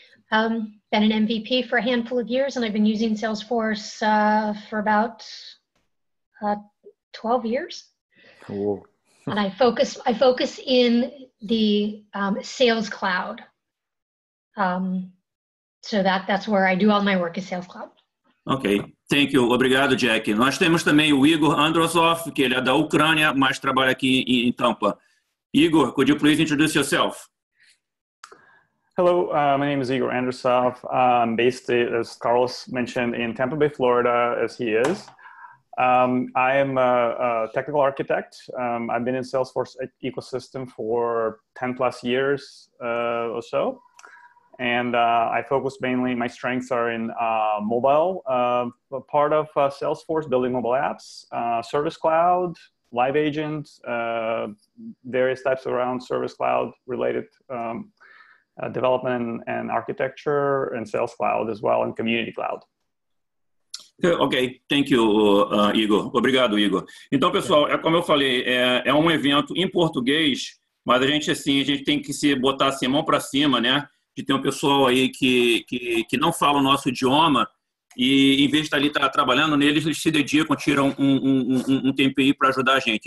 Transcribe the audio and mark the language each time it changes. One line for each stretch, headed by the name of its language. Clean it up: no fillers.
English: Been an MVP for a handful of years, and I've been using Salesforce for about 12 years. Cool. And I focus in the Sales Cloud. So that's where I do all my work, is Sales Cloud. Ok, thank you.
Portuguese: Obrigado,
English: Jack.
Portuguese: Nós temos também o Igor Androsov, que ele é da Ucrânia, mas trabalha aqui em Tampa.
English: Igor, could you please introduce yourself? Hello, my name is Igor Androsov. I'm based, as Carlos mentioned, in Tampa Bay, Florida, as he is. I am a technical architect. I've been in Salesforce ecosystem for 10 plus years or so. And I focus mainly, my strengths are in mobile, part of Salesforce, building mobile apps, service cloud, live agent, various types around service cloud related development and architecture, and sales cloud as well, and community cloud. Ok, thank you, Igor.
Portuguese: Obrigado,
English: Igor.
Portuguese: Então, pessoal, é como eu falei, é um evento em português, mas a gente tem que se botar assim, mão para cima, né? De ter um pessoal aí que não fala o nosso idioma e, em vez de estar ali trabalhando neles, eles se dedicam, tiram um tempo aí para ajudar a gente.